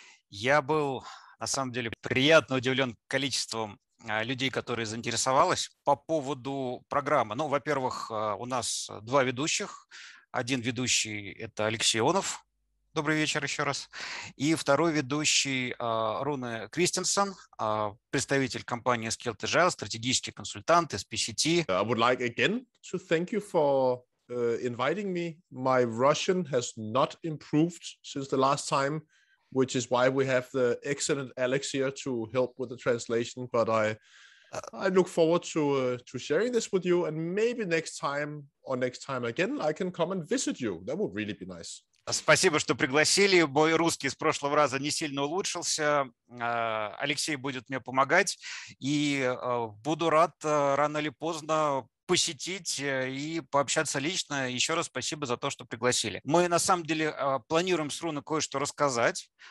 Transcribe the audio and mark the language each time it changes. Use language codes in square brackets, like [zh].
[ru] Я был, на самом деле, приятно удивлен количеством людей, которые заинтересовались по поводу программы. Ну, во-первых, у нас два ведущих. Один ведущий – это Алексей Онов. Добрый вечер еще раз. И второй ведущий Руна Кристенсен, представитель компании Skilled Agile, стратегический консультант из PCT. [en] I would like again to thank you for inviting me. My Russian has not improved since the last time, which is why we have the excellent Alex here to help with the translation. But I look forward to sharing this with you, and maybe next time or next time again I can come and visit you. That would really be nice. [ru] Спасибо, что пригласили. Мой русский с прошлого раза не сильно улучшился. Алексей будет мне помогать. И буду рад рано или поздно посетить и пообщаться лично. Еще раз спасибо за то, что пригласили. Мы на самом деле планируем с Руной кое-что рассказать.